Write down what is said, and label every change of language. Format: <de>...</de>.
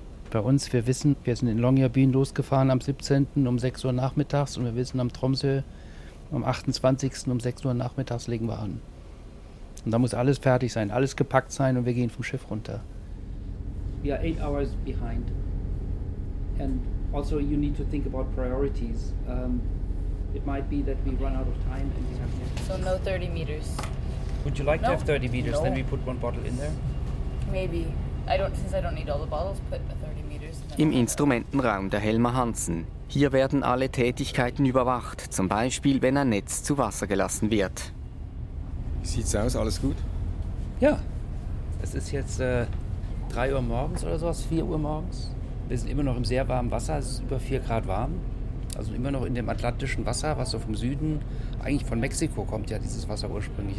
<de>Bei uns, wir wissen, wir sind in Longyearbyen losgefahren am 17. um 6 Uhr nachmittags und wir wissen, am Tromsø am 28. um 6 Uhr nachmittags legen wir an. Und da muss alles fertig sein, alles gepackt sein und wir gehen vom Schiff runter.</de> <en>We are 8 hours behind. And also you need to think about priorities. It might be that we run out of time and we have so no 30 meters. Would you like to have 30 meters? No. Then we put one bottle in there. Maybe. Since I don't need all the bottles, put the 30 meters.</en> <de>Im Instrumentenraum der Helmer Hansen. Hier werden alle Tätigkeiten überwacht, zum Beispiel wenn ein Netz zu Wasser gelassen wird. Sieht's aus, alles gut? Ja. Es ist jetzt 3 Uhr morgens oder sowas, 4 Uhr morgens. Wir sind immer noch im sehr warmen Wasser, es ist über 4 Grad warm. Also immer noch in dem atlantischen Wasser, was so vom Süden, eigentlich von Mexiko kommt ja dieses Wasser ursprünglich.</de>